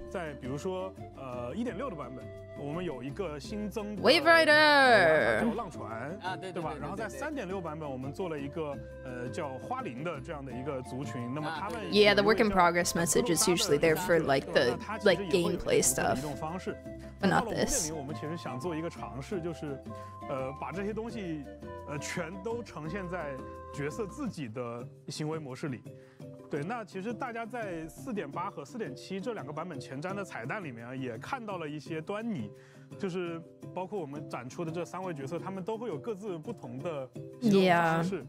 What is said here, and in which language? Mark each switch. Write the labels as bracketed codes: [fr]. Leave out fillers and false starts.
[zh] 在比如说1.6 的版本，我们有一个新增的 [en] Wave Rider [zh] 叫浪船啊，对吧？然后在3.6版本，我们做了一个叫花灵的这样的一个族群。那么他们 [en] Yeah, the work in progress message is usually there for like the like gameplay stuff. But not this. [zh] 我们其实想做一个尝试，就是，把这些东西，全都呈现在角色自己的行为模式里。对，那其实大家在4.8和4.7这两个版本前瞻的彩蛋里面也看到了一些端倪，就是包括我们展出的这三位角色，他们都会有各自不同的行为方式。